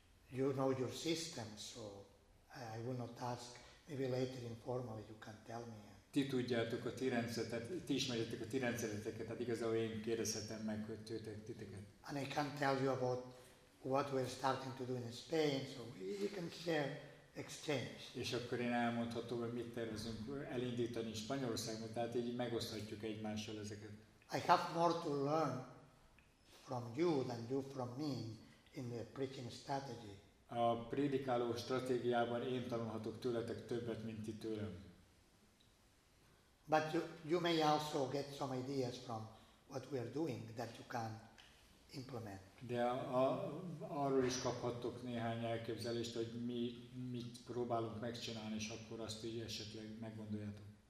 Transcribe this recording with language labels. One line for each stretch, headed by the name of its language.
English: You know your system, so I will not ask. Maybe later informally you can tell me.
Hungarian: Ti tudjátok a ti rendszeretet, ti ismerjétek a ti rendszereteket, tehát igazából én kérdezhetem meg, hogy tőtek titeket.
English: And I can tell you about what we're starting to do in Spain, so we can share, exchange.
Hungarian: És akkor én elmondhatom, hogy mit tervezünk elindítani Spanyolországban, tehát így megoszthatjuk egymással ezeket.
English: I have more to learn from you than you from me in the preaching strategy.
Hungarian: A prédikáló stratégiában én tanulhatok tőletek többet, mint ti tőlem.
English: But you may also get some ideas from what we are doing that you can implement.
Hungarian: De arról is kaphattok néhány elképzelést, hogy mit próbálunk megcsinálni, és akkor azt így esetleg meggondoljátok.